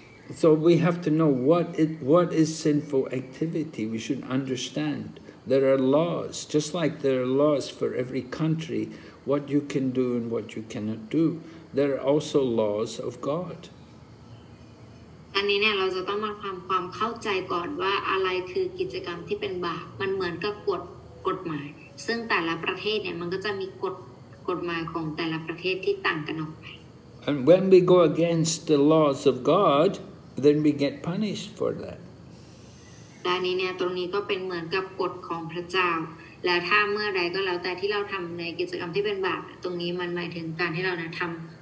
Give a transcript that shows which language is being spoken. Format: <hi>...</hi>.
<en>So we have to know what is sinful activity. We should understand there are laws, just like there are laws for every country, what you can do and what you cannot do. There are also laws of God.</en> <th>อันนี้เนี่ยเราจะต้องมาทำความเข้าใจก่อนว่าอะไรคือกิจกรรมที่เป็นบาปมันเหมือนกับกฎหมายซึ่งแต่ละประเทศเนี่ยมันก็จะมีกฎหมายของแต่ละประเทศที่ต่างกันออกไป</th> <en>And when we go against the laws of God then we get punished for that</en> <th>อันนี้เนี่ยตรงนี้ก็เป็นเหมือนกับกฎของพระเจ้าและถ้าเมื่อใดก็แล้วแต่ที่เราทำในกิจกรรมที่เป็นบาปตรงนี้มันหมายถึงการที่เรานะทำ</th>